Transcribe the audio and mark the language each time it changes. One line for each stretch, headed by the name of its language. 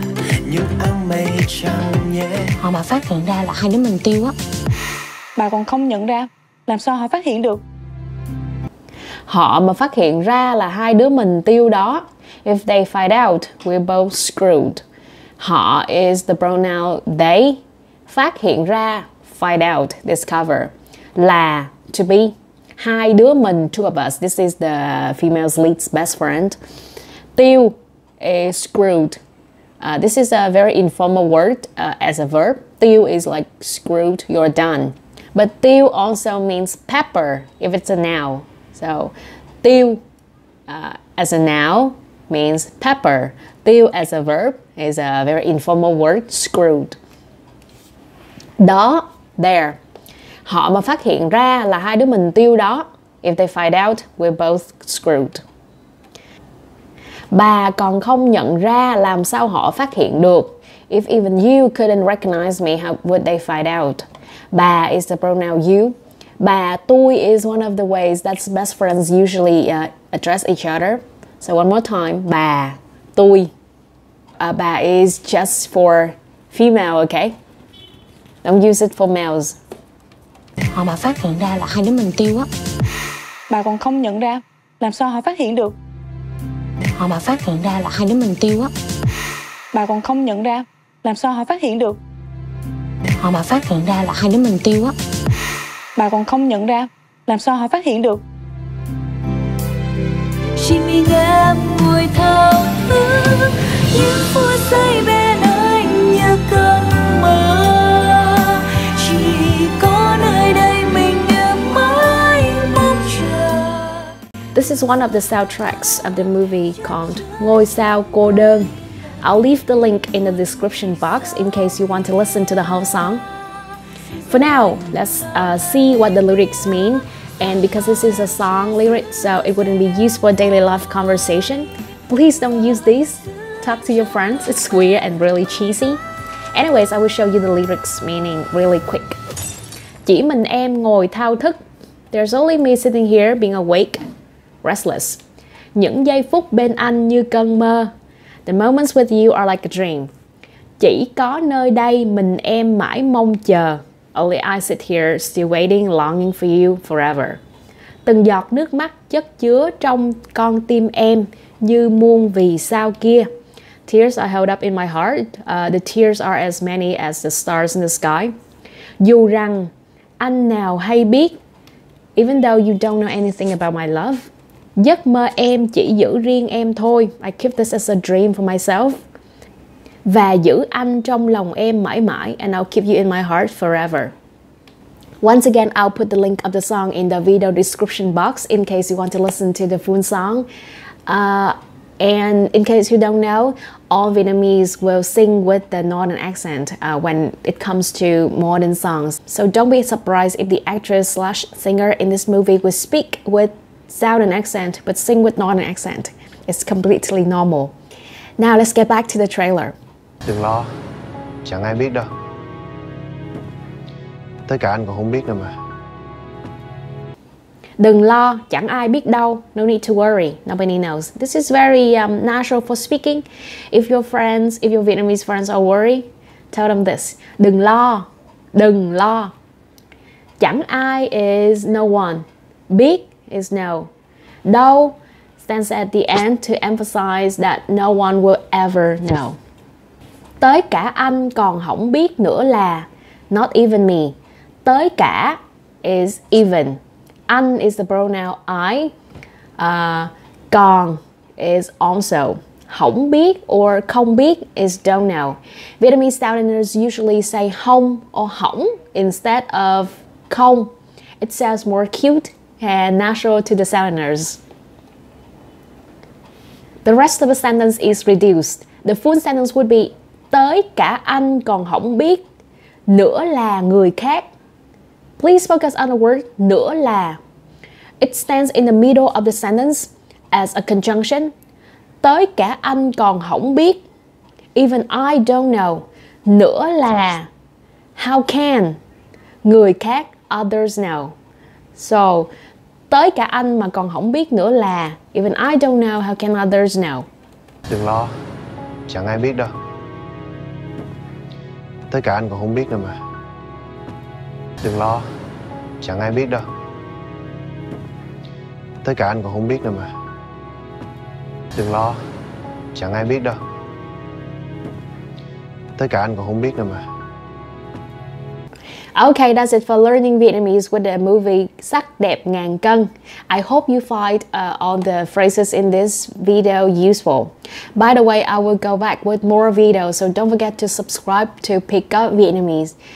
Vietnamese: Họ mà phát hiện ra là hai đứa mình tiêu á. Bà còn không nhận ra, làm sao họ phát hiện được? Họ mà phát hiện ra là hai đứa mình tiêu đó.
English: If they find out, we're both screwed. Họ is the pronoun they.
Vietnamese: Phát hiện ra,
English: find out, discover. Là, to be.
Vietnamese: Hai đứa mình,
English: two of us. This is the female's lead's best friend. Tiêu is screwed. This is a very informal word as a verb. Tiêu is like screwed, you're done. But tiêu also means pepper if it's a noun. So tiêu as a noun means pepper. Tiêu as a verb is a very informal word, screwed. Đó, there.
Vietnamese: Họ mà phát hiện ra là hai đứa mình tiêu đó.
English: If they find out, we're both screwed.
Vietnamese: Bà còn không nhận ra làm sao họ phát hiện được.
English: If even you couldn't recognize me, how would they find out? Bà is the pronoun you. Bà, tôi is one of the ways that best friends usually address each other. So one more time.
Vietnamese: Bà, tôi.
English: Bà is just for female, okay? Don't use it for males.
Vietnamese: Họ mà phát hiện ra là hai đứa mình tiêu á. Bà còn không nhận ra. Làm sao họ phát hiện được? Họ mà phát hiện ra là hai đứa mình tiêu á. Bà còn không nhận ra. Làm sao họ phát hiện được? Họ mà phát hiện ra là hai đứa mình tiêu á. Bà còn không nhận ra. Làm sao họ phát hiện được? Chimmy nghe mùi thơm những phút say bên anh như cơn mơ. Chỉ có nơi đây mình em mãi mong chờ.
English: This is one of the soundtracks of the movie called Ngôi Sao Cô Đơn. I'll leave the link in the description box in case you want to listen to the whole song. For now, let's see what the lyrics mean. And because this is a song lyric, so it wouldn't be used for daily life conversation, please don't use this. Talk to your friends. It's weird and really cheesy. Anyways, I will show you the lyrics meaning really quick.
Vietnamese: Chỉ mình em ngồi thao thức.
English: There's only me sitting here being awake, restless.
Vietnamese: Những giây phút bên anh như cơn mơ.
English: The moments with you are like a dream.
Vietnamese: Chỉ có nơi đây mình em mãi mong chờ.
English: Only I sit here still waiting, longing for you forever.
Vietnamese: Từng giọt nước mắt chất chứa trong con tim em như muôn vì sao kia.
English: Tears are held up in my heart. The tears are as many as the stars in the sky.
Vietnamese: Dù rằng anh nào hay biết.
English: Even though you don't know anything about my love.
Vietnamese: Giấc mơ em chỉ giữ riêng em thôi.
English: I keep this as a dream for myself.
Vietnamese: Và giữ anh trong lòng em mãi mãi.
English: And I'll keep you in my heart forever. Once again, I'll put the link of the song in the video description box in case you want to listen to the full song. And in case you don't know, all Vietnamese will sing with the northern accent when it comes to modern songs. So don't be surprised if the actress slash singer in this movie will speak with southern accent but sing with northern accent. It's completely normal. Now let's get back to the trailer.
Vietnamese: Đừng lo, chẳng ai biết đâu. Tới cả anh còn không biết nữa mà. Đừng lo, chẳng ai biết đâu.
English: No need to worry, nobody knows. This is very natural for speaking. If your friends, if your Vietnamese friends are worried, tell them this.
Vietnamese: Đừng lo, đừng lo. Chẳng ai
English: is no one. Biết is no. Đâu stands at the end to emphasize that no one will ever know. Tới cả anh còn không biết nữa là. Not even me.
Vietnamese: Tới cả
English: is even. Anh is the pronoun I. Còn is also.
Vietnamese: Không biết or không biết
English: is don't know. Vietnamese southerners usually say không or không instead of không. It sounds more cute and natural to the southerners. The rest of the sentence is reduced. The full sentence would be
Vietnamese: tới cả anh còn không biết nữa là người khác.
English: Please focus on the word nữa là. It stands in the middle of the sentence as a conjunction.
Vietnamese: Tới cả anh còn không biết.
English: Even I don't know.
Vietnamese: Nữa là.
English: How can?
Vietnamese: Người khác,
English: others know. So,
Vietnamese: tới cả anh mà còn không biết nữa là
English: Even I don't know, how can others know?
Vietnamese: Đừng lo, chẳng ai biết đâu. Tới cả anh còn không biết nữa mà. Đừng lo, chẳng ai biết đâu. Tới cả anh còn không biết nữa mà. Đừng lo, chẳng ai biết đâu. Tới cả anh còn không biết nữa mà.
English: Okay, that's it for learning Vietnamese with the movie Sắc Đẹp Ngàn Cân. I hope you find all the phrases in this video useful. By the way, I will go back with more videos, so don't forget to subscribe to Pick Up Vietnamese.